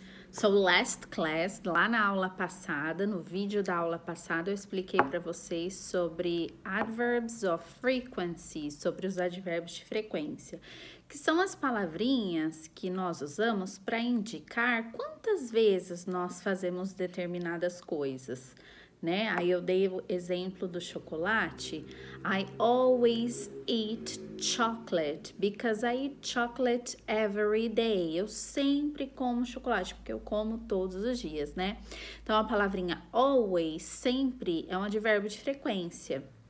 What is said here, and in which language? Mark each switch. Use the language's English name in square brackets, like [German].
[English] So last class, [Portuguese] lá na aula passada, no vídeo da aula passada, eu expliquei para vocês sobre [English] adverbs of frequency, [Portuguese] sobre os advérbios de frequência, que são as palavrinhas que nós usamos para indicar quantas vezes nós fazemos determinadas coisas, né? Aí eu dei o exemplo do chocolate. [English] I always eat chocolate because I eat chocolate every day. [Portuguese] Eu sempre como chocolate porque eu como todos os dias, né? Então, a palavrinha always, sempre, é um advérbio de frequência.